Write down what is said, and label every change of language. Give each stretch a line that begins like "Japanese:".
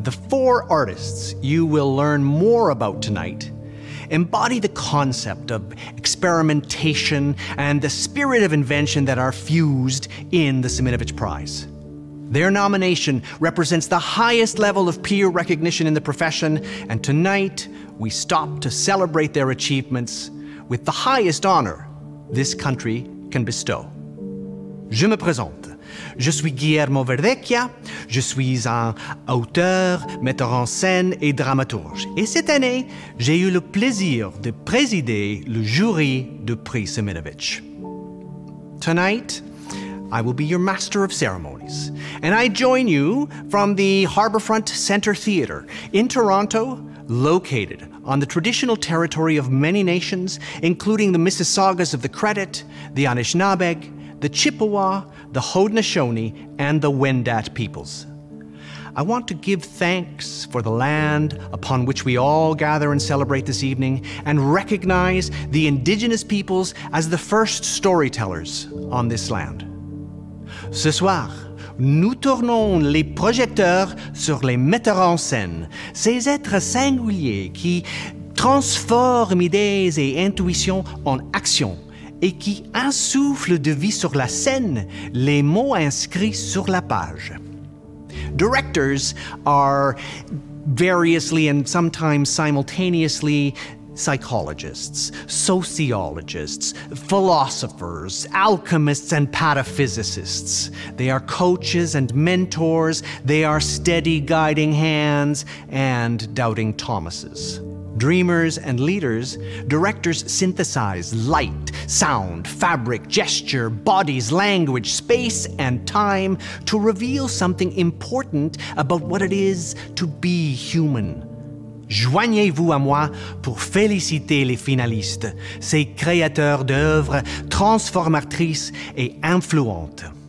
English: The four artists you will learn more about tonight embody the concept of experimentation and the spirit of invention that are fused in the Siminovitch Prize. Their nomination represents the highest level of peer recognition in the profession, and tonight we stop to celebrate their achievements with the highest honor this country can bestow.
French: Je me présente. Je suis Guillermo Verdecchia. Je suis un auteur, metteur en scène et dramaturge. Et cette année, j'ai eu le plaisir de présider le jury du Prix Siminovitch.
English: Tonight, I will be your master of ceremonies, and I join you from the Harbourfront Centre Theatre in Toronto, located on the traditional territory of many nations, including the Mississaugas of the Credit, the Anishinaabeg, the Chippewa, the Haudenosaunee, and the Wendat peoples. I want to give thanks for the land upon which we all gather and celebrate this evening and recognize the Indigenous peoples as the first storytellers on this land.
French: Ce soir, nous tournons les projecteurs sur les metteurs en scène, ces êtres singuliers qui transforment idées et intuitions en actions et qui insufflent de vie sur la scène les mots inscrits sur la page.
English: Directors are variously and sometimes simultaneously psychologists, sociologists, philosophers, alchemists, and pataphysicists. They are coaches and mentors. They are steady guiding hands and doubting Thomases. Dreamers and leaders, directors synthesize light, sound, fabric, gesture, bodies, language, space, and time to reveal something important about what it is to be human.
French: Joignez-vous à moi pour féliciter les finalistes, ces créateurs d'œuvres transformatrices et influentes.